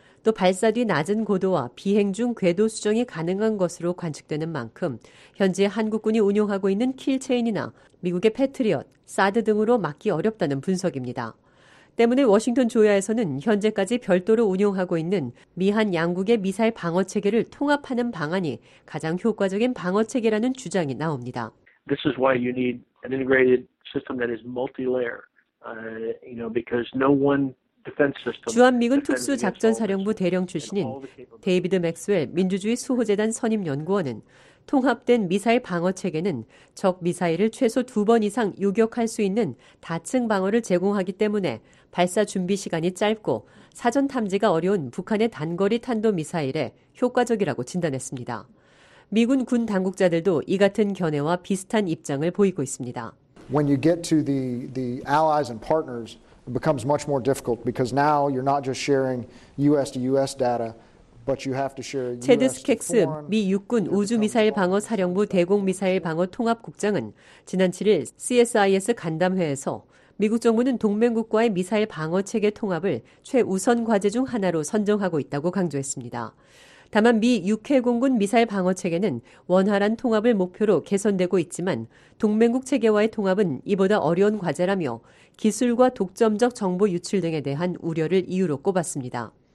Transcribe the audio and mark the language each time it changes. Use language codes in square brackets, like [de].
[ko] 또 발사 뒤 낮은 고도와 비행 중 궤도 수정이 가능한 것으로 관측되는 만큼 현재 한국군이 운용하고 있는 킬체인이나 미국의 패트리엇, 사드 등으로 막기 어렵다는 분석입니다. 때문에 워싱턴 조야에서는 현재까지 별도로 운용하고 있는 미한 양국의 미사일 방어 체계를 통합하는 방안이 가장 효과적인 방어 체계라는 주장이 나옵니다. [en] This is why you need an integrated system that is multi-layer. You know, because no one [ko] 주한미군 특수작전사령부 대령 출신인 데이비드 맥스웰 민주주의 수호재단 선임연구원은 통합된 미사일 방어체계는 적 미사일을 최소 2번 이상 요격할 수 있는 다층 방어를 제공하기 때문에 발사 준비 시간이 짧고 사전 탐지가 어려운 북한의 단거리 탄도미사일에 효과적이라고 진단했습니다. 미군 군 당국자들도 이 같은 견해와 비슷한 입장을 보이고 있습니다. [en] When you get to the allies and partners, becomes much more difficult because now you're not just sharing US to US data but you have to share US. [ko] 체드 스케스 미 육군 우주 미사일 방어 사령부 대공 미사일 방어 통합 국장은 지난 7일 CSIS 간담회에서 미국 정부는 동맹국과의 미사일 방어 체계 통합을 최우선 과제 중 하나로 선정하고 있다고 강조했습니다. 다만 미 육해공군 미사일 방어 체계는 원활한 통합을 목표로 개선되고 있지만 동맹국 체계와의 통합은 이보다 어려운 과제라며 기술과 독점적 정보 유출 등에 대한 우려를 이유로 꼽았습니다.